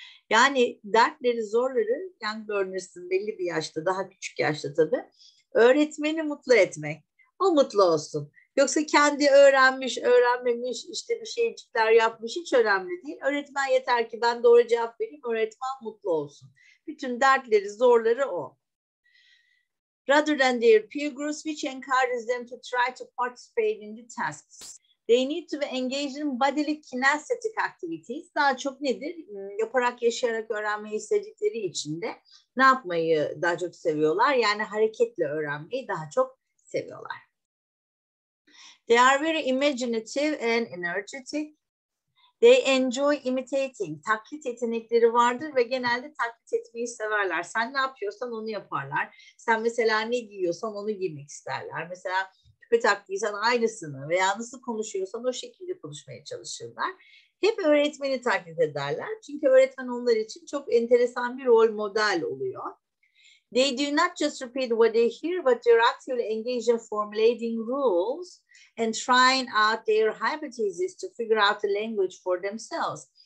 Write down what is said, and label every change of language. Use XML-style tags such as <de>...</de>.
<tr>Yani dertleri, zorları young learners'ın belli bir yaşta, daha küçük yaşta tabii, öğretmeni mutlu etmek. O mutlu olsun. Yoksa kendi öğrenmiş, öğrenmemiş, işte bir şeycikler yapmış hiç önemli değil. Öğretmen yeter ki ben doğru cevap vereyim, öğretmen mutlu olsun. Bütün dertleri, zorları o.</tr> <en>Rather than their peer groups, which encourages them to try to participate in the tasks. They need to be engaged in bodily kinesthetic activities.</en> <tr>Daha çok nedir? Yaparak, yaşayarak öğrenmeyi sevdikleri için de ne yapmayı daha çok seviyorlar? Yani hareketle öğrenmeyi daha çok seviyorlar.</tr> <en>They are very imaginative and energetic. They enjoy imitating.</en> <tr>Taklit yetenekleri vardır ve genelde taklit etmeyi severler. Sen ne yapıyorsan onu yaparlar. Sen mesela ne giyiyorsan onu giymek isterler. Mesela küpe taktıysan aynısını veya nasıl konuşuyorsan o şekilde konuşmaya çalışırlar. Hep öğretmeni taklit ederler. Çünkü öğretmen onlar için çok enteresan bir rol model oluyor.</tr> <en>They do not just repeat what they hear, but they're actively engaged in formulating rules and trying out their hypotheses to figure out the language for themselves.</en>